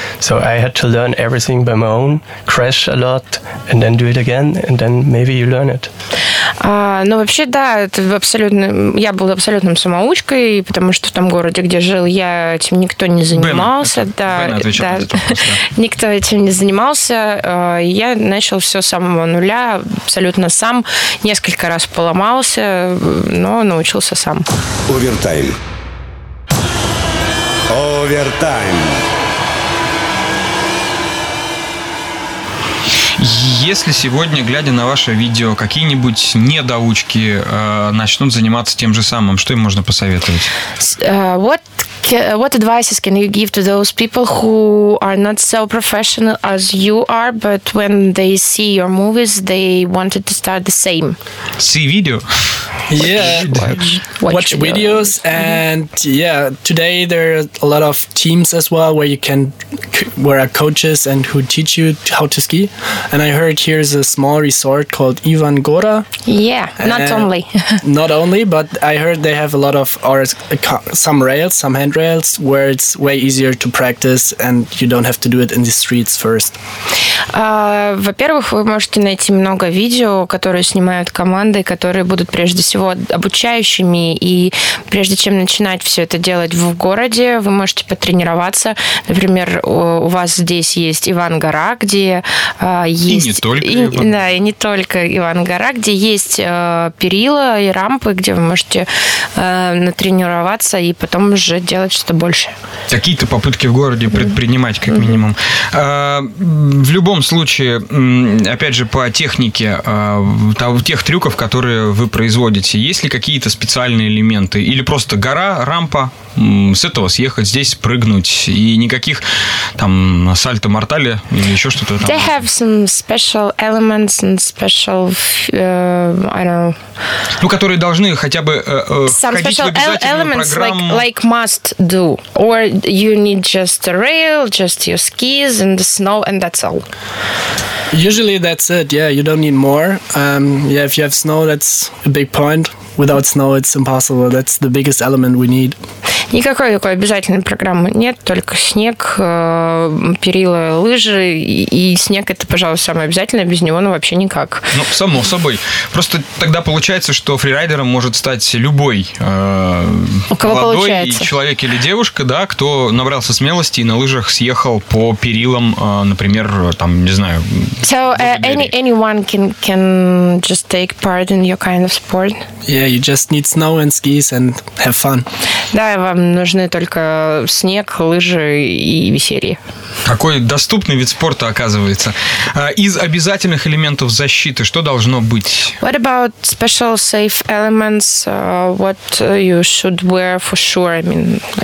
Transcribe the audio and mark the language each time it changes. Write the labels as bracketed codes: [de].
[en] So I had to learn everything by my own, crash a lot, and then do it again, and then maybe you learn it. [ru] Ну, вообще, да, это абсолютно, я была абсолютным самоучкой, потому что в том городе, где жил, я этим никто не занимался. Бен, да, отвечал, да, да. Никто этим не занимался. Я начал все с самого нуля, абсолютно сам. Несколько раз поломался, но научился сам. Овертайм. Овертайм. Если сегодня, глядя на ваше видео, какие-нибудь недоучки начнут заниматься тем же самым, что им можно посоветовать? [en] What what advices can you give to those people who are not so professional as you are, but when they see your movies, they wanted to start the same? See video. Watch videos. Mm-hmm. And yeah, today there are a lot of teams as well where you can, where are coaches and who teach you how to ski. And I heard here's a small resort called Ivan Gora. Yeah, not only. Not only, but I heard they have a lot of, or some rails, some handrails, where it's way easier to practice and you don't have to do it in the streets first. [ru] Во-первых, вы можете найти много видео, которые снимают команды, которые будут прежде всего обучающими, и прежде чем начинать все это делать в городе, вы можете потренироваться. Например, у вас здесь есть Иван Гора, где есть... И не только Иван. Да, и не только Иван Гора, где есть перила и рампы, где вы можете натренироваться и потом уже делать что-то больше. Какие-то попытки в городе предпринимать, как минимум. В любом случае, опять же, по технике тех трюков, которые вы производите, есть ли какие-то специальные элементы? Или просто гора, рампа, с этого съехать, здесь прыгнуть, и никаких там сальто-мортале или еще что-то там? [en] They have some special elements and special, I don't know. [ru] Ну, которые должны хотя бы [en] some [ru] входить в обязательную [en] elements, [ru] программу. [en] Like must do. Or you need just a rail, just your skis and the snow and that's all. Usually that's it, yeah, you don't need more. Yeah, if you have snow, that's a big point. Without snow, it's impossible. That's the biggest element we need. [ru] Никакой такой обязательной программы нет, только снег, перила, лыжи, и снег это, пожалуй, самое обязательное, без него ну вообще никак. Ну, само собой. Просто тогда получается, что фрирайдером может стать любой молодой человек или девушка, да, кто набрался смелости и на лыжах съехал по перилам, например, там, не знаю. [en] So anyone can just take part in your kind of sport? Yeah, you just need snow and skis and have fun. [ru] Да, вам нужны только снег, лыжи и веселье. Какой доступный вид спорта, оказывается. Из обязательных элементов защиты что должно быть? [en] What about special safe elements? What you should wear for sure? I mean...